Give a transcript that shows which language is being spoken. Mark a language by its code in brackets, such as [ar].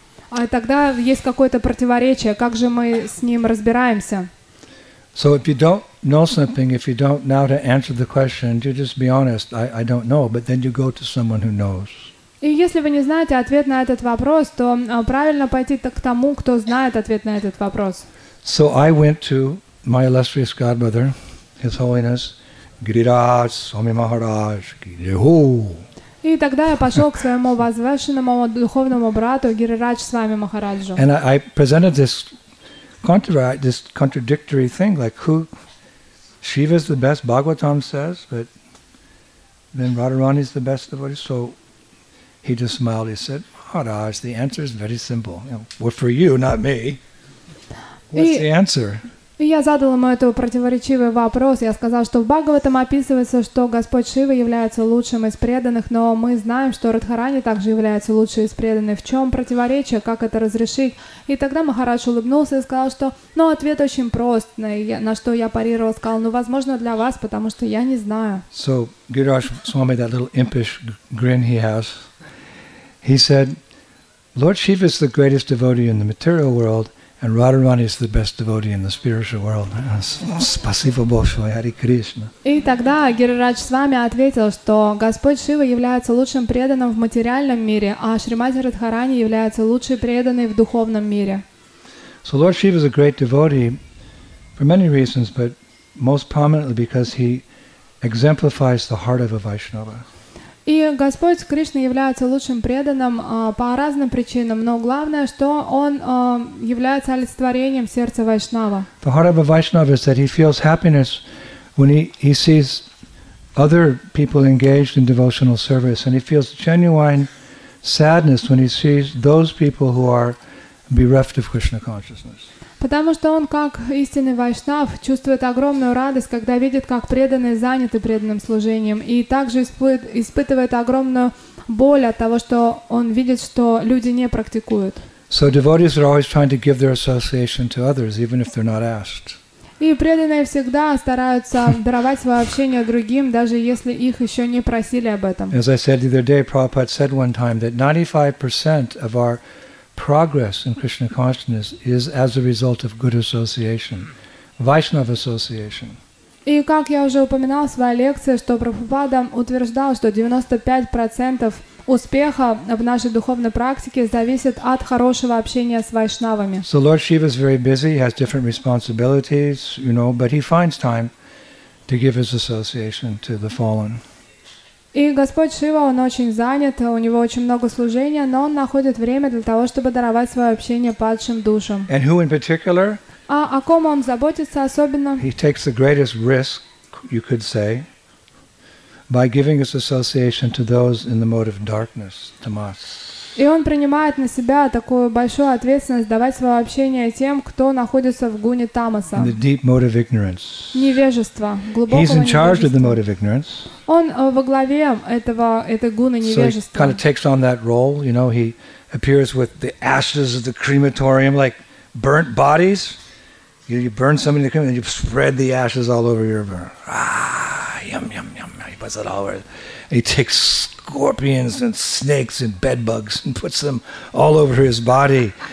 [ru] А тогда есть какое-то противоречие, как же мы с ним разбираемся? [en] So if you don't know something, if you don't now to answer the question, you just be honest, I don't know, but then you go to someone who knows. [ru] И если вы не знаете ответ на этот вопрос, то правильно пойти к тому, кто знает ответ на этот вопрос. [en] So I went to my illustrious godmother, His Holiness [ru] Гирирас, Сами Махарадж, Гиреху. И тогда я пошел к своему возвышенному духовному брату Гирирадж с вами Махараджу. [en] And I presented this contradictory thing, like who Shiva is the best, Bhagavatam says, but then Radharani is the best devotee. So he just smiled. He said, Maharaj, the answer is very simple. You know, well, for you, not me. What's the answer? [ru] И я задал ему этот противоречивый вопрос. Я сказал, что в Бхагаватам описывается, что Господь Шива является лучшим из преданных, но мы знаем, что Радхарани также является лучшим из преданных. В чем противоречие? Как это разрешить? И тогда Махарадж улыбнулся и сказал, что ну, ответ очень прост. На что я парировал, сказал, ну, возможно, для вас, потому что я не знаю. [en] So, Гирирадж Свами, that little impish grin he has, he said, Lord Shiva is the greatest devotee in the material world, and Radharani is the best devotee in the spiritual world. [ru] Спасибо большое, Хари Кришна. И тогда Гирирадж с вами ответил, что Господь Шива является лучшим преданным в материальном мире, а Шримати Радхарани является лучшей преданной в духовном мире. [en] So Lord Shiva is a great devotee for many reasons, but most prominently because he exemplifies the heart of a Vaishnava. [ru] И Господь Кришна является лучшим преданным по разным причинам, но главное, что Он является олицетворением сердца Вайшнава. [en] The heart of a Vaishnava is that he feels happiness when he sees other people engaged in devotional service, and he feels genuine sadness when he sees those people who are bereft of Krishna consciousness. [ru] Потому что он, как истинный вайшнав, чувствует огромную радость, когда видит, как преданные заняты преданным служением, и также испытывает огромную боль от того, что он видит, что люди не практикуют. [en] So devotees are always trying to give their association to others, even if they're not asked. [ru] И преданные всегда стараются даровать свое общение другим, даже если их еще не просили об этом. [en] As I said the other day, Prabhupada said one time that 95% of our progress in Krishna consciousness is as a result of good association, Vaishnava association. [ru] И как я уже упоминал в своей лекции, что Прабхупада утверждал, что 95% успеха в нашей духовной практике зависит от хорошего общения с вайшнавами. [en] So Lord Shiva is very busy, he has different responsibilities, you know, but he finds time to give his association to the fallen. [ru] И Господь Шива, он очень занят, у него очень много служения, но он находит время для того, чтобы даровать свое общение падшим душам. [en] And who in particular? [ru] А о ком он заботится особенно? [en] He takes the greatest risk, you could say, by giving his association to those in the mode of darkness, tamas. [ru] И он принимает на себя такую большую ответственность давать свое общение тем, кто находится в гуне тамаса. [en] The deep mode of ignorance. [ru] Невежество, глубокого [en] He's in charge of the mode of ignorance. [ru] Он во главе этой гуны невежества. [en] So he kind of takes on that role, you know, he appears with the ashes of the crematorium, like burnt bodies. You burn somebody in the crematorium, and you spread the ashes all over your burn. Ah, yum, yum, yum. He puts it all over. He takes scorpions and snakes and bedbugs and puts them all over his body.